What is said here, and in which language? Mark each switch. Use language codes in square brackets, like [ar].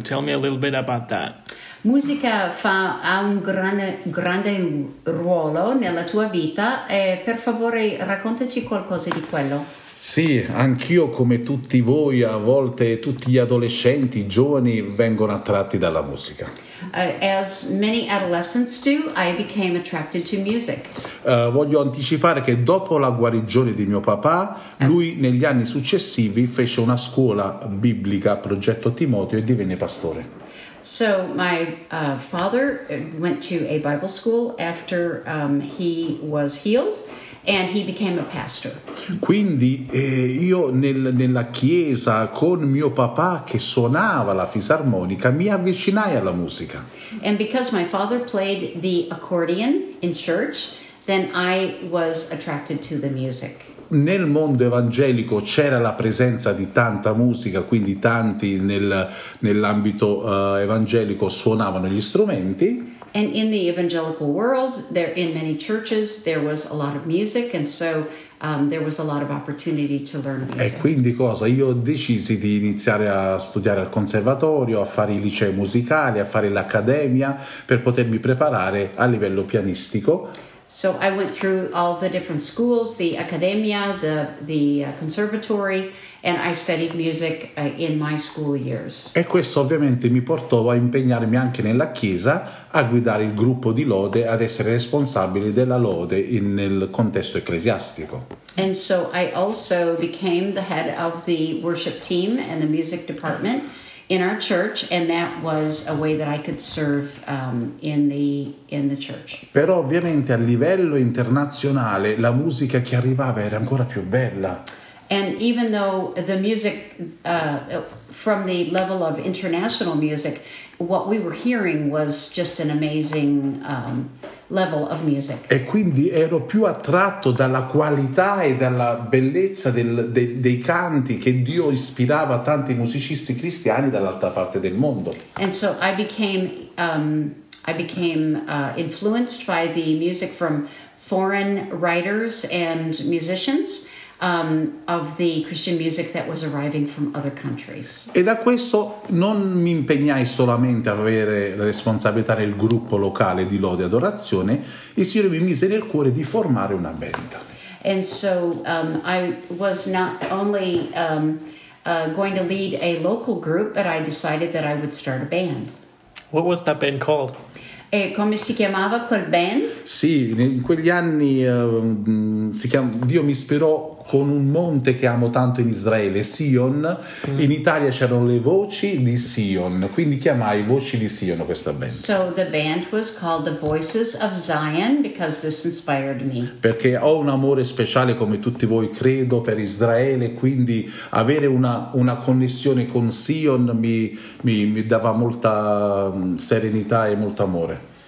[en] Tell me a little bit about that. [it] Musica fa ha un grande ruolo nella tua vita. Per favore, raccontaci qualcosa di quello. Sì, anch'io come tutti voi, a volte tutti gli adolescenti, giovani, vengono attratti dalla musica. [en] As many adolescents do, I became attracted to music. [it] Voglio anticipare che dopo la guarigione di mio papà, lui negli anni successivi fece una scuola biblica, Progetto Timoteo, e divenne pastore. [en] So my father went to a Bible school after he was healed and he became a pastor. [it] Quindi io nella chiesa con mio papà che suonava la fisarmonica mi avvicinai alla musica. [en] And because my father played the accordion in church, then I was attracted to the music. [it] Nel mondo evangelico c'era la presenza di tanta musica, quindi tanti nell'ambito evangelico suonavano gli strumenti. [en] And in the evangelical world, there in many churches, there was a lot of music, and so there was a lot of opportunity to learn music. [it] E quindi cosa? Io decisi di iniziare a studiare al conservatorio, a fare il liceo musicale, a fare l'accademia, per potermi preparare a livello pianistico. [en] So I went through all the different schools, the academia, the conservatory, and I studied music in my school years. [it] E questo ovviamente mi portò a impegnarmi anche nella chiesa, a guidare il gruppo di lode, ad essere responsabile della lode nel contesto ecclesiastico. [en] And so I also became the head of the worship team and the music department in our church, and that was a way that I could serve in the church. [it] Però ovviamente a livello internazionale la musica che arrivava era ancora più bella. [en] And even though the music from the level of international music, what we were hearing was just an amazing level of music. [it] E quindi ero più attratto dalla qualità e dalla bellezza dei canti che Dio ispirava a tanti musicisti cristiani dall'altra parte del mondo. [en] And so I became influenced by the music from foreign writers and musicians. Of the Christian music that was arriving from other countries. [it] E da questo non mi impegnai solamente ad avere la responsabilità nel gruppo locale di lode e adorazione, il Signore mi mise nel cuore di formare una band. [en] And so I was not only going to lead a local group, but I decided that I would start a band. What was that band called? [it] E come si chiamava quel band? Sì, in quegli anni Dio mi ispirò con un monte che amo tanto in Israele, Sion. Mm. In Italia c'erano le voci di Sion, quindi chiamai Voci di Sion questa band. [en] So the band was called the Voices of Zion because this inspired me. [it] Perché ho un amore speciale, come tutti voi credo, per Israele, quindi avere una connessione con Sion mi dava molta serenità e molto amore.